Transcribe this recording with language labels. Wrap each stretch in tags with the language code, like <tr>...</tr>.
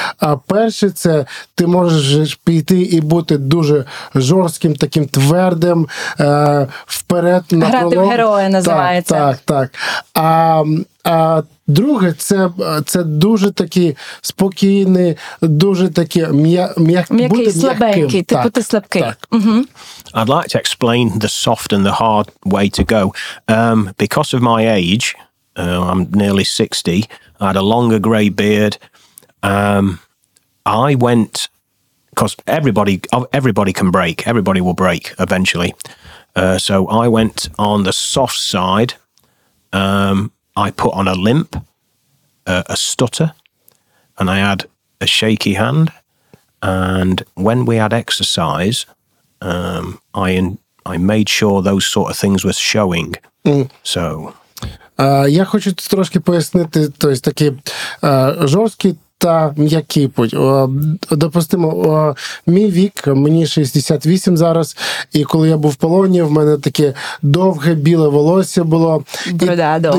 <uk>А перше – це ти можеш піти і бути дуже жорстким, таким твердим, вперед на Грати в героя називається. Так, так, так. А друге, це дуже такий спокійний, дуже такий м'який, слабенький, типу ти слабкий. Так.</uk> <en>I'd like to explain the soft and the hard way to go. Because of my age, I'm nearly 60, I had a longer grey beard. I went, because everybody can break, everybody will break eventually. So I went on the soft side. I put on a limp, a stutter, and I had a shaky hand. And when we had exercise, I made sure those sort of things were showing. So,</en> <uk>я хочу трошки пояснити, то есть такі жорсткі та м'який путь. Допустимо, мій вік, мені 68 зараз, і коли я був в полоні, в мене таке довге біле волосся було. Борода довга</uk>